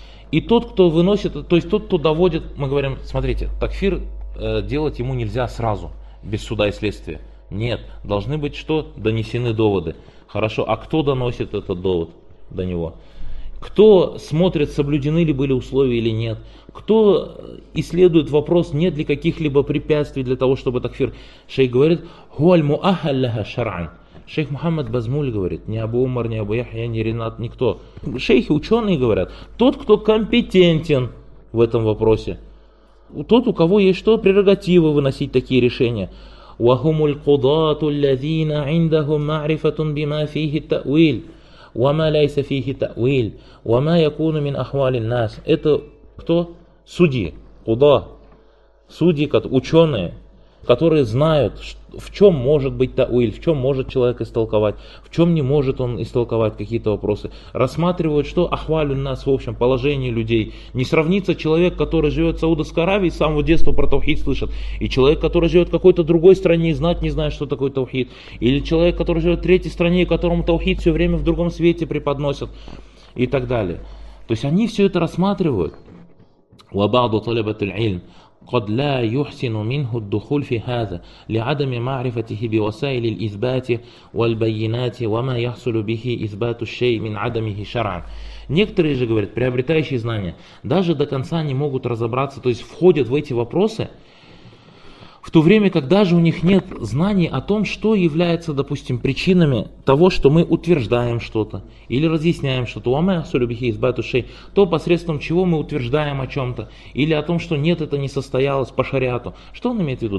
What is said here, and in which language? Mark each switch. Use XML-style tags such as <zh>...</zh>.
<ru>И тот, кто выносит, то есть тот, кто доводит, мы говорим, смотрите, такфир делать ему нельзя сразу, без суда и следствия. Нет, должны быть что? Донесены доводы. Хорошо, а кто доносит этот довод до него? Кто смотрит, соблюдены ли были условия или нет? Кто исследует вопрос, нет ли каких-либо препятствий для того, чтобы такфир? Шейх говорит,</ru> <ar>هُوَ الْمُؤَهَلْ لَهَا شَرْعًا.</ar> <ru>Шейх Мухаммад Базмуль говорит, не Абу Умар, не Абу Яхья, не Ринат, никто. Шейхи, ученые говорят, тот, кто компетентен в этом вопросе, тот, у кого есть что, прерогативы выносить такие решения.</ru> <ar>وَهُمُ الْقُضَاتُ الَّذِينَ عِنْدَهُمْ مَعْرِفَةٌ بِمَا فِيهِ التَّأْوِيلُ وَمَا لَيْسَ فِيهِ التَّأْوِيلُ وَمَا يَكُونُ مِنْ أَحْوَالِ النَّاسِ.</ar> <ru>Это кто? Судьи. Куда? Судьи, ученые. которые знают, в чем может быть тауиль, в чем может человек истолковать, в чем не может он истолковать какие-то вопросы, рассматривают, что ахвалю нас, в общем, положение людей. Не сравнится человек, который живет в Саудовской Аравии, с самого детства про таухид слышит, и человек, который живет в какой-то другой стране и знать не знает, что такое таухид, или человек, который живет в третьей стране, которому таухид все время в другом свете преподносят, и так далее. То есть они все это рассматривают.</ru> <ar>وَبَعْضُ طَلَبَةِ الْعِلْمِ قد لا يحسن منه الدخول في هذا لعدم معرفته بوسائل الإثبات والبينات وما يحصل به إثبات الشيء من عدمه شرعا.</ar> <ru>Некоторые же, говорят, приобретающие знания, даже до конца не могут разобраться, то есть входят в эти вопросы, в то время как даже у них нет знаний о том, что является, допустим, причинами того, что мы утверждаем что-то или разъясняем что-то,</ru> <ar>«Ва мая сулюбихи избату шей»,</ar> <ru>то, посредством чего мы утверждаем о чем-то или о том, что нет, это не состоялось по шариату. Что он имеет в виду?</ru>